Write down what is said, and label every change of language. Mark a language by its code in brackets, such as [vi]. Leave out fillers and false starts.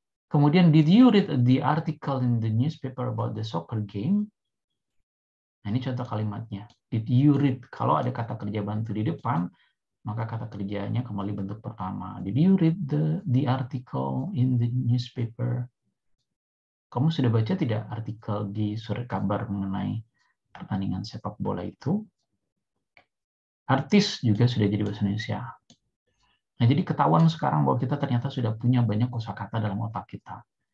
[en] Kemudian, did you read the article in the newspaper about the soccer game? [id] Nah, ini contoh kalimatnya. [en] Did you read? [id] Kalau ada kata kerja bantu di depan, maka kata kerjanya kembali bentuk pertama. [en] Did you read the article in the newspaper? [id] Kamu sudah baca tidak artikel di surat kabar mengenai pertandingan sepak bola itu? Artis juga sudah jadi bahasa Indonesia. Nah, jadi ketahuan sekarang bahwa kita ternyata sudah punya banyak kosakata dalam otak kita.